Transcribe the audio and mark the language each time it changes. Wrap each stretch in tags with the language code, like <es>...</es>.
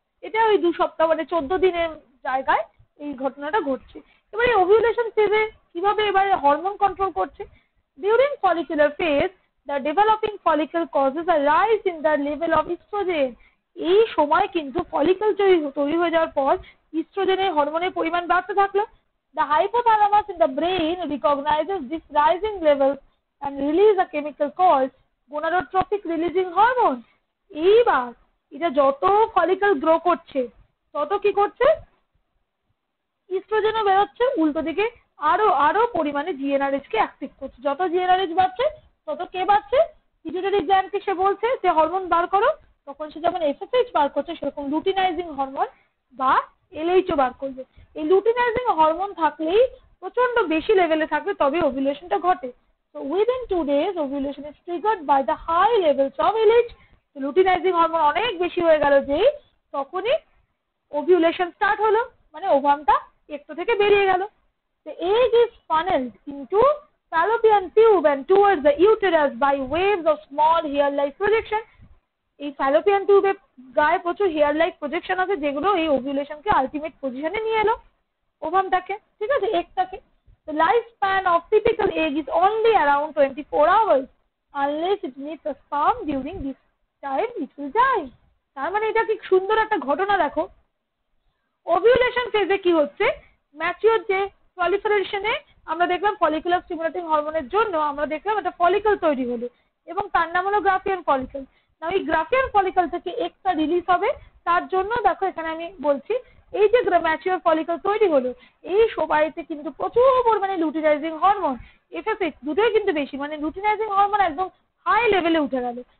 <bn>এটা ওই 2 সপ্তাহ মানে 14 দিনের জায়গায় এই ঘটনাটা ঘটছে। এবার এই ovulation phase কিভাবে এবারে হরমোন কন্ট্রোল করছে,</bn> <en>during follicular phase the developing follicle causes a rise in the level of estrogen.</en> <bn>এই সময় কিন্তু ফলিকল তৈরি হয়ে যাওয়ার পর ইস্ট্রোজেনের হরমোনের পরিমাণ বাড়তে থাকলো।</bn> <en>The hypothalamus in the brain recognizes this rising level and releases a chemical called gonadotropic releasing hormone.</en> <bn>এইবার এটা যত ফলিকল গ্রো করছে তত কি করছে, ইস্ট্রোজেনও বেরোচ্ছে, উল্টো দিকে আরো আরো পরিমাণে জিএনআরএইচ কে অ্যাক্টিভ করছে। যত জিএনআরএইচ বাড়ছে তত কে বাড়ছে, পিটুইটারি গ্ল্যান্ড কে সে বলছে যে হরমোন বার করো, তখন সে যেমন এফএসএইচ বার করছে সেরকম লুটিনাইজিং হরমোন বা এলএইচও বার করবে। এই লুটিনাইজিং হরমোন থাকলেই, প্রচন্ড বেশি লেভেলে থাকলে তবে ওভিউলেশনটা ঘটে। তো</bn> <en>within 2 days ovulation is triggered by the high levels of LH,</en> <bn>luteinising hormone অনেক বেশি হয়ে গেল যেই, তখনই ওভিউলেশন স্টার্ট হলো, মানে ওভামটা টেক্টো থেকে বেরিয়ে গেল।</bn> <en>তো egg is funnelled into fallopian tube and towards the uterus by waves of small hair like projection.</en> <bn>এই ফ্যালোপিয়ান টিউবে গায়ে প্রচুর হেয়ার লাইক প্রজেকশন আছে, যেগুলো এই ওভিউলেশনকে আলটিমেট পজিশনে নিয়ে এলো ওভামটাকে, ঠিক আছে, এগটাকে।</bn> <en>The lifespan of typical egg is only around 24 hours. Unless it meets a sperm during this time, it will die.</en> <bn>তার মানে এটা কি সুন্দর একটা ঘটনা দেখো। Ovulation phase কি হচ্ছে? Mature যে proliferation এ আমরা দেখলাম follicular stimulating hormone এর জন্য আমরা দেখলাম একটা follicle তৈরি হলো এবং তার নাম হলো graafian follicle। Now এই graafian follicle থেকে একটা release হবে, তার জন্য দেখো এখানে আমি বলছি এই যে ম্যাচিওর ফলিকল তৈরি হলো এই সবাইতে কিন্তু প্রচুর পরিমাণে লুটিনাইজিং হরমোন এফএসএইচ দুটোই কিন্তু বেশি, মানে লুটিনাইজিং হরমোন একদম হাই লেভেলে উঠে গেল।</bn>